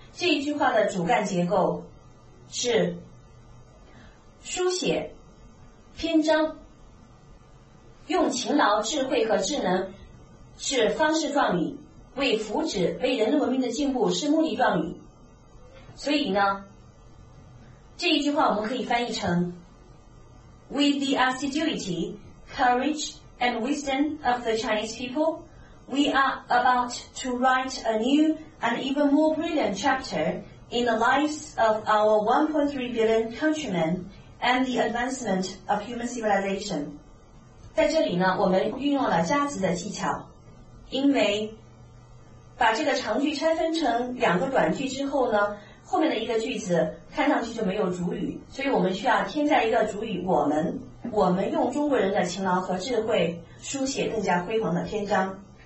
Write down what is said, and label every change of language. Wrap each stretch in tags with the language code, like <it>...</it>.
<zh>这一句话的主干结构是书写篇章，用勤劳、智慧和智能是方式状语，为福祉、为人类文明的进步是目的状语。所以呢，这一句话我们可以翻译成</zh> <en>With the assiduity, courage, and wisdom of the Chinese people, we are about to write a new and even more brilliant chapter in the lives of our 1.3 billion countrymen and the advancement of human civilization.</en> <zh>在这里呢，我们运用了加词的技巧，因为把这个长句拆分成两个短句之后呢，后面的一个句子看上去就没有主语，所以我们需要添加一个主语，我们用中国人的勤劳和智慧书写更加辉煌的篇章。</zh>